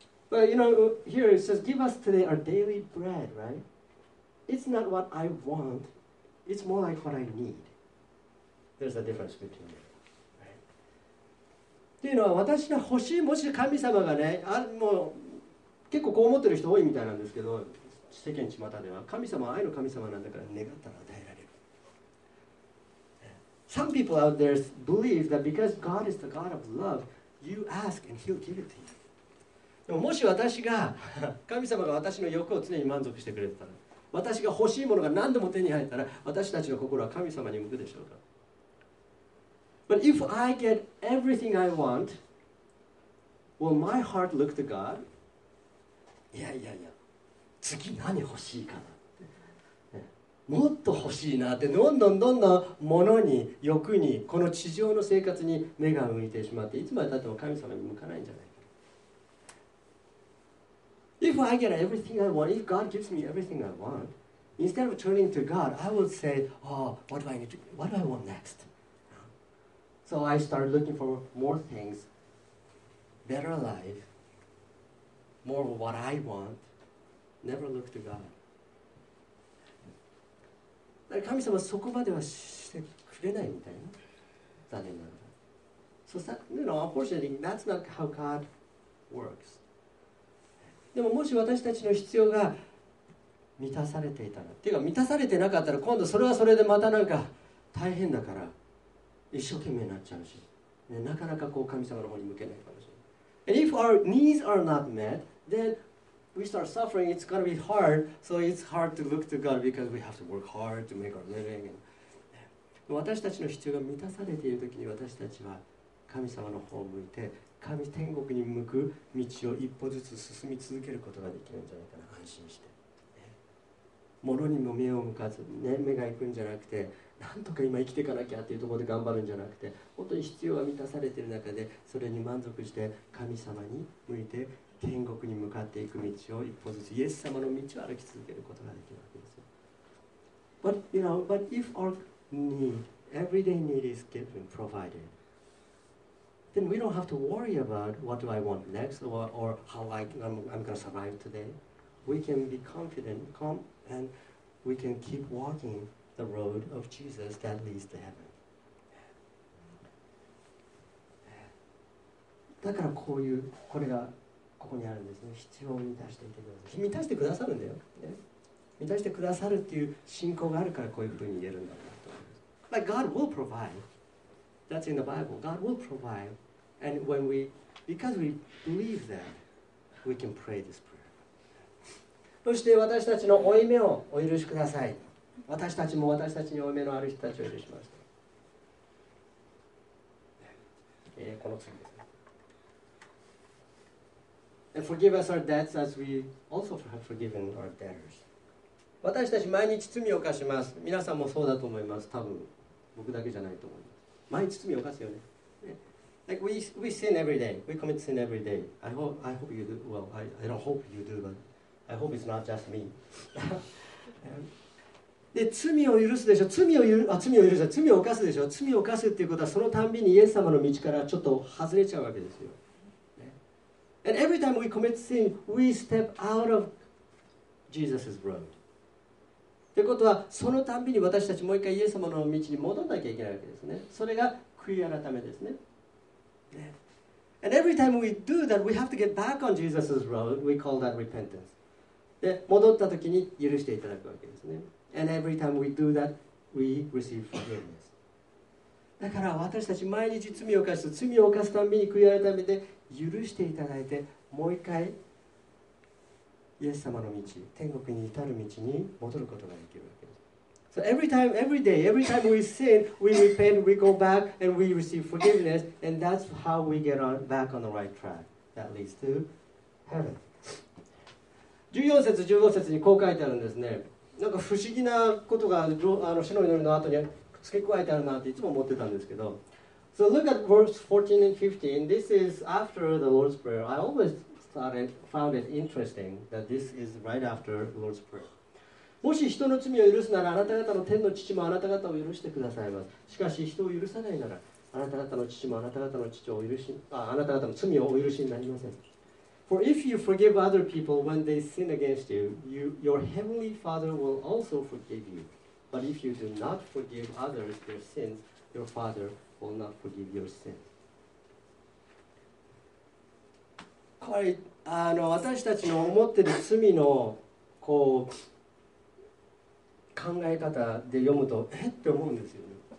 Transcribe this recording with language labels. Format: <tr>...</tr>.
<en>But you know, here it says, give us today our daily bread, right? It's not what I want, it's more like what I need. There's a difference between that, right?</en> <ja>というのは、私が欲しい、もし神様がね、もう結構こう思ってる人多いみたいなんですけど、世間巷では、神様は愛の神様なんだから願ったら与えられる。</ja> <en>Some people out there believe that because God is the God of love, you ask and He'll give it to you.</en> <ja>でももし私が、神様が私の欲を常に満足してくれてたら、私が欲しいものが何でも手に入ったら、私たちの心は神様に向くでしょうか。</ja> <en>But if I get everything I want, will my heart look to God?</en> <ja>いやいやいや、次何欲しいかなって。もっと欲しいなって、どんどん物に、欲に、この地上の生活に目が向いてしまって、いつまでたっても神様に向かないんじゃない。</ja> <en>If I get everything I want, if God gives me everything I want, instead of turning to God, I will say, oh, what do I need to, what do I want next? So I start looking for more things, better life, more of what I want, never look to God.</en> <ja>だから神様はそこまではしてくれないみたいな。残念ながら。</ja> <en>So, you know, unfortunately, that's not how God works.</en> <ja>でももし私たちの必要が満たされていたら、っていうか満たされてなかったら、今度それはそれでまたなんか大変だから一生懸命になっちゃうし、ね、なかなかこう神様の方に向けないかもしれない。</ja> <en>And if our needs are not met, then we start suffering. It's gonna be hard. So it's hard to look to God because we have to work hard to make our living.</en> <ja>And 私たちの必要が満たされているときに私たちは神様の方を向いて。神天国に向く道を一歩ずつ進み続けることができるんじゃないかな、安心して。物にも目を向かず、ね、目が行くんじゃなくて、なんとか今生きていかなきゃっていうところで頑張るんじゃなくて、本当に必要が満たされている中でそれに満足して神様に向いて天国に向かっていく道を一歩ずつイエス様の道を歩き続けることができるわけですよ。</ja> <en>But, you know, but if our need, everyday need is given, provided, then we don't have to worry about what do I want next or how I'm going to survive today. We can be confident, calm, and we can keep walking the road of Jesus that leads to heaven.</en> <ja>だからこういう、これがここにあるんですね。必要を満たしていてください。満たしてくださるんだよ、ね。満たしてくださるっていう信仰があるからこういうふうに言えるんだろうなと思います。</ja> <en>Like God will provide.</en> <ja>That's in the Bible. God will provide.</ja> <en>And when we, because we believe that, we can pray this prayer.</en> <ja>そして私たちの負い目をお許しください。私たちも私たちに負い目のある人たちを許します。この次です。</ja> <en>And forgive us our debts as we also have forgiven our debtors.</en> <ja>私たち毎日罪を犯します。皆さんもそうだと思います。多分僕だけじゃないと思います。毎日罪を犯すよね。</ja> <en>Like we sin every day. We commit sin every day. I hope you do. Well, I don't hope you do, but I hope it's not just me.</en> <ja>で罪を許すでしょ。罪を犯すでしょ。罪を犯すっていうことはそのたんびにイエス様の道からちょっと外れちゃうわけですよ。</ja> <en>And every time we commit sin, we step out of Jesus' road.</en> <ja>ってことは、そのたんびに私たちもう一回イエス様の道に戻らなきゃいけないわけですね。それが悔い改めですね。</ja> <en>And every time we do that, we have to get back on Jesus' road. We call that repentance.</en> <ja>で、戻ったときに許していただくわけですね。</ja> <en>And every time we do that, we receive forgiveness.</en> <ja>だから私たち毎日罪を犯す、罪を犯すたんびに悔い改めて、許していただいて、もう一回イエス様の道、天国に至る道に戻ることができるわけです。</ja> <en>So every time, every day, every time we sin, we repent, we go back, and we receive forgiveness, and that's how we get on back on the right track. That leads to heaven.</en> <ja>14節、15節にこう書いてあるんですね。なんか不思議なことが、あの主の祈りの後に付け加えてあるなっていつも思ってたんですけど、</ja> <en>So look at verse 14 and 15. This is after the Lord's Prayer. I always found it interesting that this is right after the Lord's Prayer.</en> <ja>もし人の罪を許すなら、あなた方の天の父もあなた方を許してくださいます。しかし人を許さないなら、あなた方の父もあなた方の父を許し、あなた方の罪をお許しになりません。</ja> <en>For if you forgive other people when they sin against you, your heavenly Father will also forgive you. But if you do not forgive others their sins, your Father will not forgive your sins.</en> <ja>これ、あの、私たちの思ってる罪のこう考え方で読むと、えって思うんですよね。</ja>